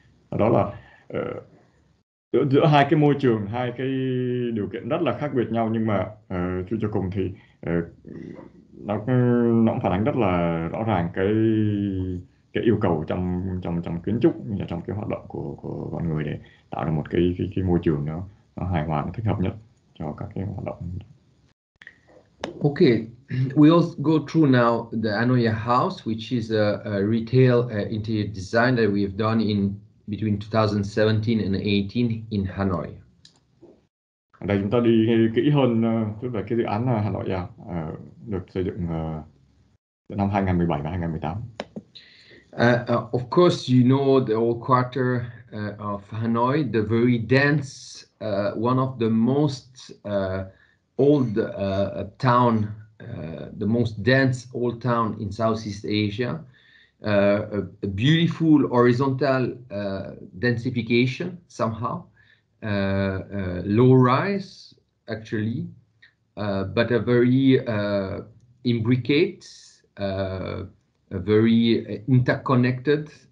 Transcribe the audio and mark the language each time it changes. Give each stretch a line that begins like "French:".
Vietnamese: Đó là giữa hai cái môi trường, hai cái điều kiện rất là khác biệt nhau, nhưng mà suy cho cùng thì nó cũng phản ánh rất là rõ ràng cái yêu cầu trong trong trong kiến trúc, như là trong cái hoạt động của con người, để tạo ra một cái môi trường nó hài hòa, nó thích hợp nhất cho các cái hoạt động.
English: Okay, we'll go through now the Hanoi House, which is a retail interior design that we have done in between 2017 and 18 in Hanoi.
Vietnamese: Ở đây chúng ta đi kỹ hơn chút về cái dự án Hà Nội à, được xây dựng năm 2017 và 2018.
English: Of course, you know the old quarter of Hanoi, the very dense, one of the most old town, the most dense old town in Southeast Asia, a beautiful horizontal densification somehow, low rise actually, but a very imbricate, a very interconnected